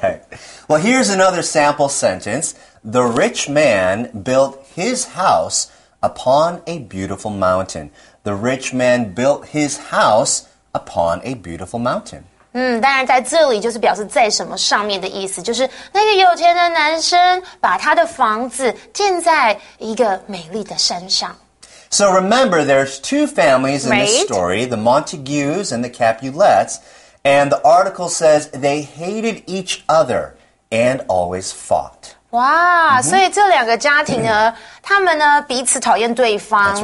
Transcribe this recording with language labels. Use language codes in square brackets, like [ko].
[en] right. Well here's another sample sentence The rich man built his house upon a beautiful mountain The rich man built his house upon a beautiful mountain [zh] 当然在这里就是表示在什么上面的意思就是那个有钱的男生把他的房子建在一个美丽的山上 [en] So remember there's two families in、 right? this story The Montagues and the Capulets And the article says they hated each other and always fought [zh] 哇、所以这两个家庭呢他们呢彼此讨厌对方